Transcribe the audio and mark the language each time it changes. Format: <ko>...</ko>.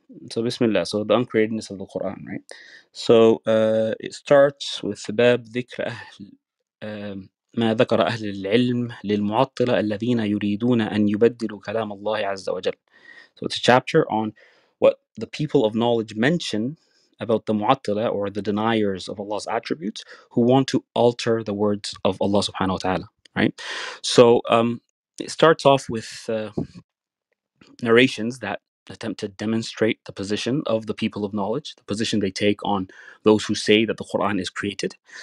<en>So bismillah. So the uncreatedness of the Quran, right? So it starts with</en> <ar>باب ذكر ما ذكر أهل العلم للمعطلة الذين يريدون أن يبدلوا كلام الله عز وجل.</ar> <en>So it's a chapter on what the people of knowledge mention about the mu'attila, or the deniers of Allah's attributes, who want to alter the words of Allah subhanahu wa ta'ala, right? So it starts off with narrations that attempt to demonstrate the position of the people of knowledge, the position they take on those who say that the Qur'an is created.</en>